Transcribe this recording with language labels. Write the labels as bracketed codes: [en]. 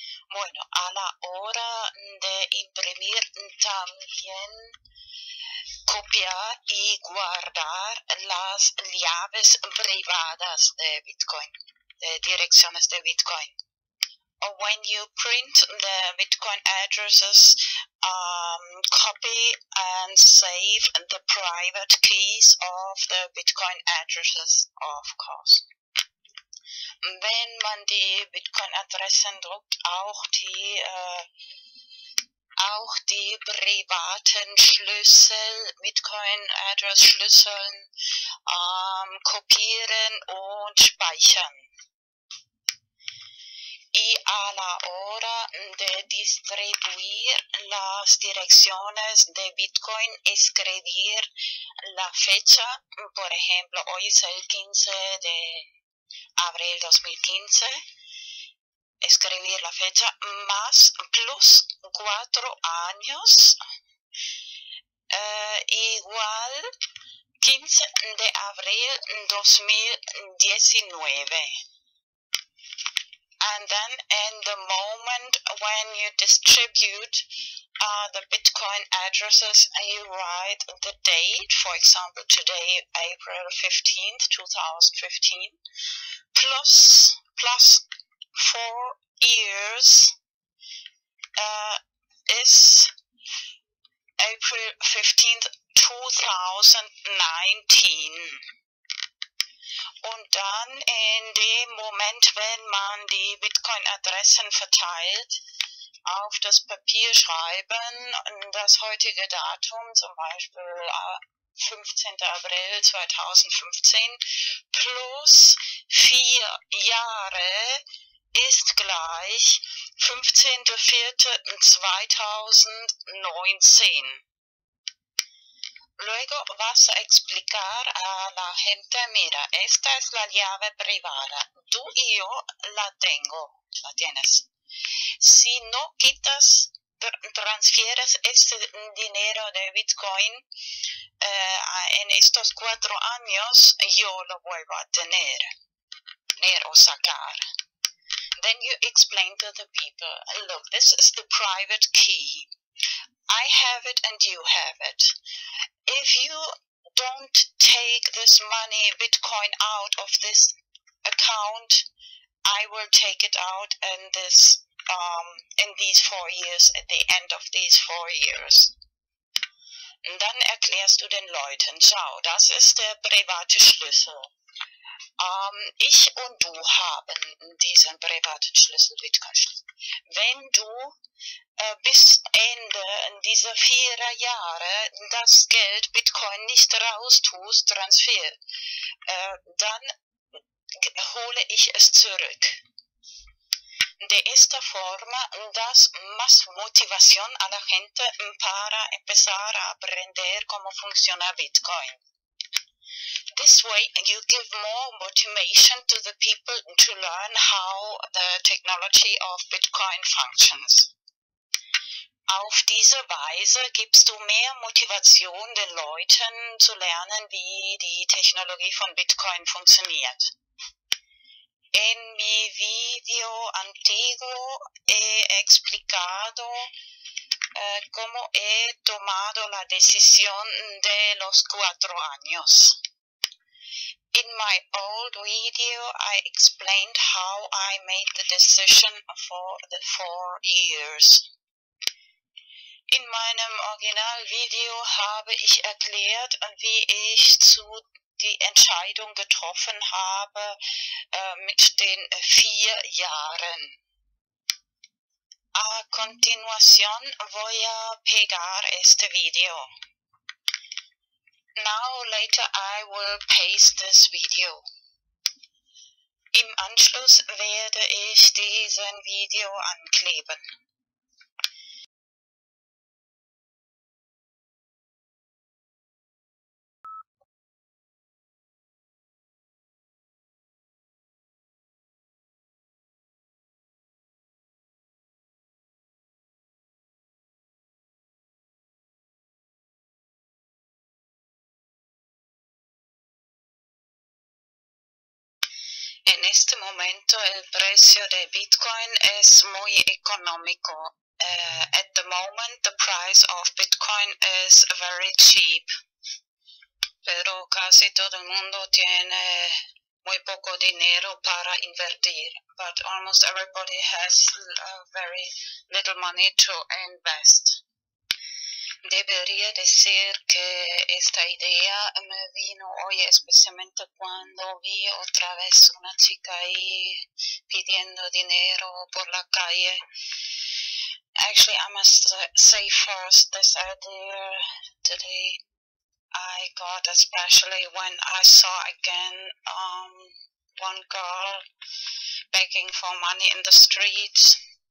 [es] Bueno, a la hora de imprimir también copiar y guardar las llaves privadas de Bitcoin, de direcciones de Bitcoin. [en] When you print the Bitcoin addresses, copy and save the private keys of the Bitcoin addresses, of course. [de] Wenn man die Bitcoin-Adressen druckt, auch die privaten Schlüssel, Bitcoin-Address-Schlüsseln, kopieren und speichern. [es] Y a la hora de distribuir las direcciones de Bitcoin, escribir la fecha, por ejemplo, hoy es el 15 de abril 2015, escribir la fecha más plus 4 años, igual 15 de abril 2019. [en] And then in the moment when you distribute the Bitcoin addresses, you write the date, for example, today, April 15th, 2015, plus 4 years is April 15th, 2019. [de] Und dann in dem Moment, wenn man die Bitcoin-Adressen verteilt, auf das Papier schreiben, das heutige Datum, zum Beispiel 15. April 2015, plus 4 Jahre ist gleich 15.04.2019. [es] Luego vas a explicar a la gente, mira, esta es la llave privada, tú y yo la tengo, la tienes. Si no quitas, transfieres este dinero de Bitcoin en estos 4 años, yo lo vuelvo a tener o sacar. [en] Then you explain to the people, look, this is the private key. I have it and you have it. If you don't take this money, Bitcoin, out of this account, I will take it out in these 4 years, at the end of these 4 years. [de] Und dann erklärst du den Leuten, schau, das ist der private Schlüssel. Ich und du haben diesen privaten Schlüssel, Bitcoin-Schlüssel. Wenn du bis Ende dieser 4 Jahre das Geld Bitcoin nicht raus tust, Transfer, dann hole ich es zurück. [es] De esta forma das más motivación a la gente para empezar a aprender cómo funciona Bitcoin. [en] This way, you give more motivation to the people to learn how the technology of Bitcoin functions. [de] Auf diese Weise gibst du mehr Motivation den Leuten zu lernen, wie die Technologie von Bitcoin funktioniert. [es] En mi video antiguo he explicado cómo he tomado la decisión de los 4 años. [en] In my old video, I explained how I made the decision for the 4 years. [de] In meinem Originalvideo habe ich erklärt, wie ich zu die Entscheidung getroffen habe, mit den 4 Jahren. [es] A continuación voy a pegar este video. [en] Now, later, I will paste this video. [de] Im Anschluss werde ich diesen Video ankleben. [es] En este momento el precio de Bitcoin es muy económico. [en] At the moment the price of Bitcoin is very cheap. [es] Pero casi todo el mundo tiene muy poco dinero para invertir. [en] But almost everybody has very little money to invest. [es] Debería decir que esta idea me vino hoy especialmente cuando vi otra vez una chica ahí pidiendo dinero por la calle. [en] Actually, I must say first this idea today I got especially when I saw again one girl begging for money in the streets.